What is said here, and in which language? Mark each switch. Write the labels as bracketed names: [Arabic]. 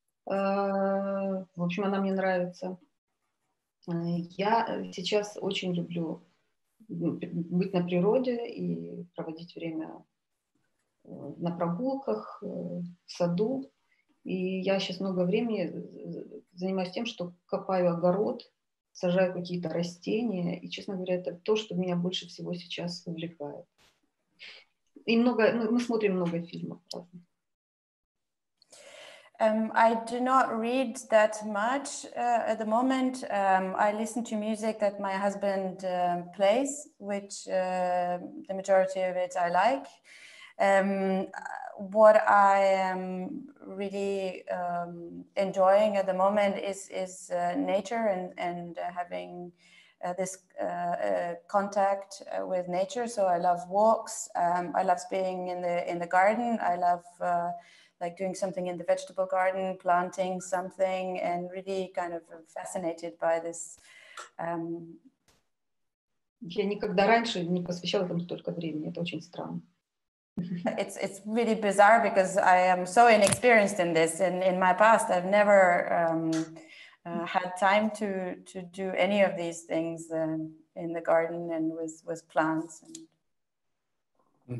[Russian] В общем, она мне нравится. Я сейчас очень люблю быть на природе и проводить время на прогулках, в саду. И я сейчас много времени занимаюсь тем, что копаю огород, сажаю какие-то растения, и, честно говоря, это то, что меня больше всего сейчас увлекает. И много, мы смотрим много фильмов. [English] I do not read that much at the moment. I listen to music that my husband plays, which the majority of it I like. What I am really enjoying at the moment is nature and having this contact with nature. So I love walks. I love being in the garden. I love like doing something in the vegetable garden, planting something, and really kind of fascinated by this. [Russian] Я никогда раньше не посвящала этому столько времени. Это очень странно. [English] It's really bizarre because I am so inexperienced in this. In my past, I've never had time to do any of these things in the garden and with plants. And...